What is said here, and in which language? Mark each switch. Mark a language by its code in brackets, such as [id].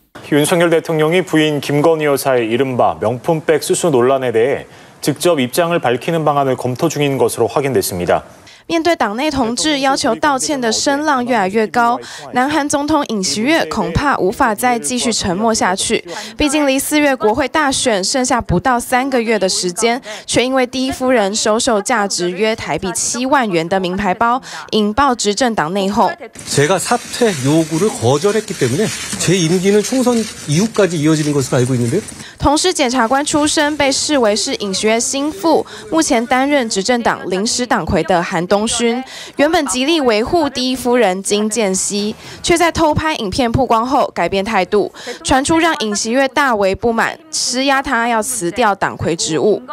[ko] 윤석열 대통령이 부인 김건희 여사의 이른바 명품백 수수 논란에 대해 직접 입장을 밝히는 방안을 검토 중인 것으로 확인됐습니다. [zh] 面对党内同志要求道歉的声浪越来越高，南韩总统尹锡悦恐怕无法再继续沉默下去。毕竟离4月国会大选剩下不到3个月的时间，却因为第一夫人收受价值约台币7万元的名牌包，引爆执政党内讧。 [ko] 제가 사퇴 요구를 거절했기 때문에 제 임기는 총선 이후까지 이어지는 것으로 알고 있는데요. [zh] 同时，检察官出身被视为是尹锡悦心腹，目前担任执政党临时党魁的韩东。东勋。原本极力维护第一夫人金建熙，却在偷拍影片曝光后改变态度，传出让尹锡悦大为不满，施压他要辞掉党魁职务。